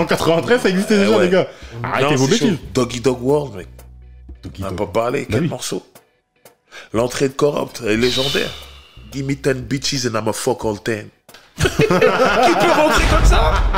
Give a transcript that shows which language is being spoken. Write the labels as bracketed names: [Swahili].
[French] En 93, ça existait déjà, les gars. Arrêtez vos bêtises. Doggy Dog World, mec. On n'a pas parlé. Quel morceau? L'entrée de Corrupt est légendaire. [English] Give me 10 bitches and I'm a fuck all 10. [French] Qui peut rentrer comme ça?